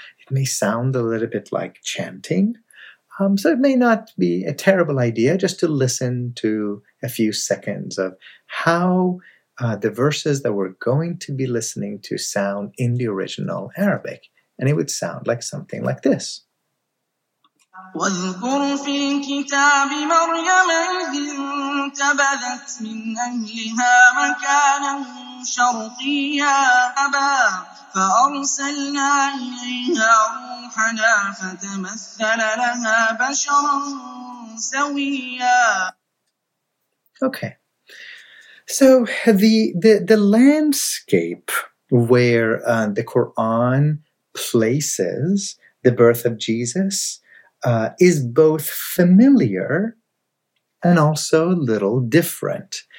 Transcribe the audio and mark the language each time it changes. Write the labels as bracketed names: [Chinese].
[English] It may sound a little bit like chanting, so it may not be a terrible idea just to listen to a few seconds of how the verses that we're going to be listening to sound in the original Arabic. And it would sound like something like this. [Arabic] واذكر في الكتاب مريم إذ انتبذت من أهلها مكانا شرقيا أبا فأرسلنا إليها روحنا فتمثل لها بشرا سويا. [English] Okay. So the landscape where the Quran places the birth of Jesus is both familiar and also a little different.